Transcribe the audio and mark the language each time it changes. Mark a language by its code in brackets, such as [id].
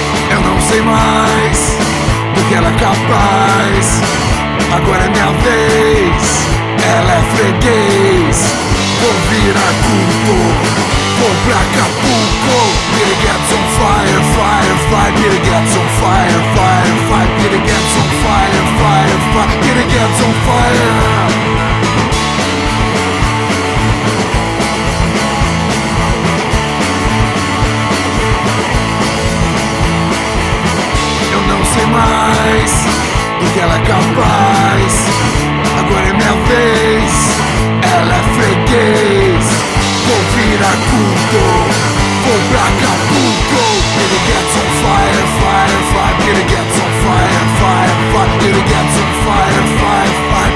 [pt] Eu não sei mais do que ela é capaz. Agora é minha vez, ela é freguês. Vou virar culto, vou pra Acapulco. [en] Better get some fire, fire, fire. Better get some fire, fire, fire. Better get some fire, fire, fire. Better get some fire. [pt] Eu não sei mais do que ela é capaz. Agora é minha vez, ela é freguês. Vou virar culto, vou pra Acapulco. [en] Gonna get some fire, fire, fire. Gonna get some fire, fire, fire. Gonna get some fire, fire, fire.